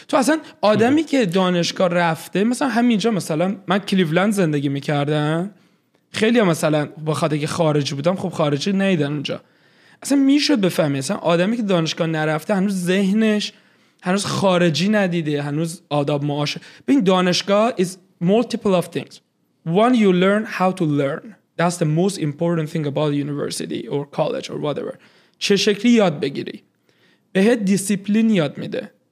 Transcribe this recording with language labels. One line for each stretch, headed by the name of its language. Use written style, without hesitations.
Persian: تو اصلا آدمی که دانشگاه رفته مثلا همینجا، مثلا من کلیولند زندگی میکردم، خیلی مثلا با خاطر که خارجی بودم خب خارجی نیدن اونجا، اصلا میشد بفهمی اصلا آدمی که دانشگاه نرفته هنوز ذهنش هنوز خارجی ندیده، هنوز آداب معاش. ببین دانشگاه
English: is multiple of things. One, you learn how to learn. That's the most important thing about university or college or whatever.
Persian: چه شکلی یاد بگیری؟ بهت دیسیپلین یاد میده.